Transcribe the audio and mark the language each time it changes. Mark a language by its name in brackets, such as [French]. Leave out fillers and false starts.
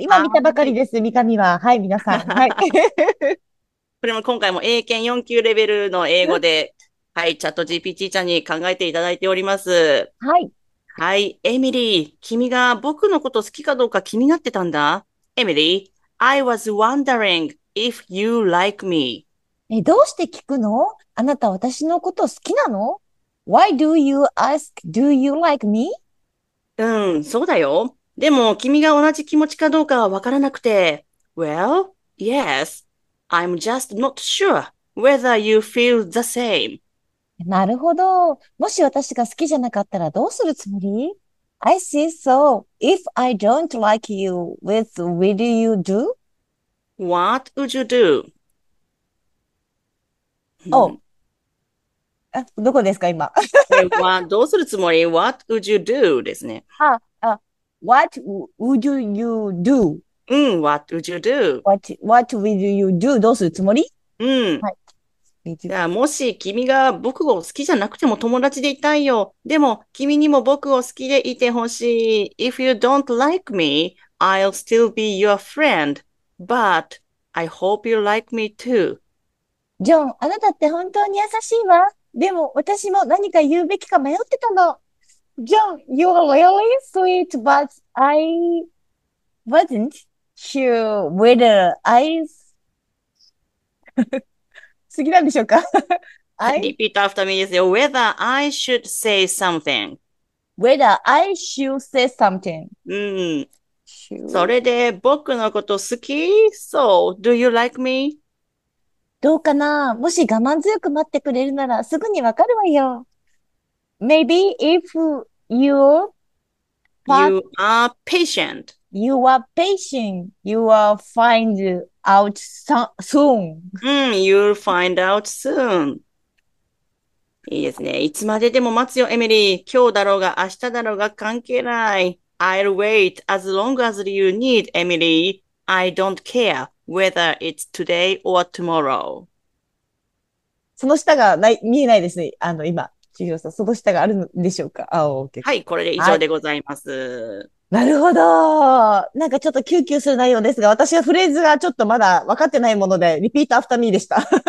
[Japanese] 今見たばかりです、三上は。はい、皆さん。はい。これも今回も英検4級レベルの英語ではい、チャット GPT ちゃんに考えていただいております。はい。はい、エミリー、君が僕のこと好きかどうか気になってたんだ。 [English] エミリー、I was wondering if you like me. [Japanese] どうして聞くの？あなた私のこと好きなの？ [English] Why do you ask, do you like me? [Japanese] うん、そうだよ。でも君が同じ気持ちかどうかはわからなくて。 [English] Well, yes, I'm just not sure whether you feel the same. [Japanese] なるほど。もし私が好きじゃなかったらどうするつもり？ [English] I see, so if I don't like you, will you do? What would you do? [Japanese] お、どこですか、今。これはどうするつもり？ [English] What would you do [Japanese] ですね。 [English] What would you do? うん、What would you do? What will you do? [Japanese] どうするつもり？うん。じゃあ、もし君が僕を好きじゃなくても友達でいたいよ。でも、君にも僕を好きでいてほしい。 [English] If you don't like me, I'll still be your friend. But I hope you like me too. [Japanese] ジョン、あなたって本当に優しいわ。でも、私も何か言うべきか迷ってたの。 [English] ジョン、You are really sweet, but I wasn't sure whether I... [Japanese] 次なんでしょうか ?I... [English] Repeat after me is whether I should say something. Whether I should say something. [Japanese] うん。そ [English] Should... [Japanese] れで僕のこと好き？ [English] So, do you like me? [Japanese] どうかな？もし我慢強く待ってくれるならすぐにわかるわよ。 [English] Maybe if you're You are patient. you are patient, you will find out soon. You'll find out soon. [Japanese] いいですね。いつまででも待つよ、エミリー。今日だろうが明日だろうが関係ない。 [English] I'll wait as long as you need, Emily. I don't care whether it's today or tomorrow. [Japanese] その下がない、見えないですね。今、千尋さん、その下があるんでしょうか？あ、オッケー。はい、これで以は上い。でございます。なるほど。なんかちょっとキュンキュンする内容ですが、私はフレーズがちょっとまだ分かってないもので、リピートアフターミーでした。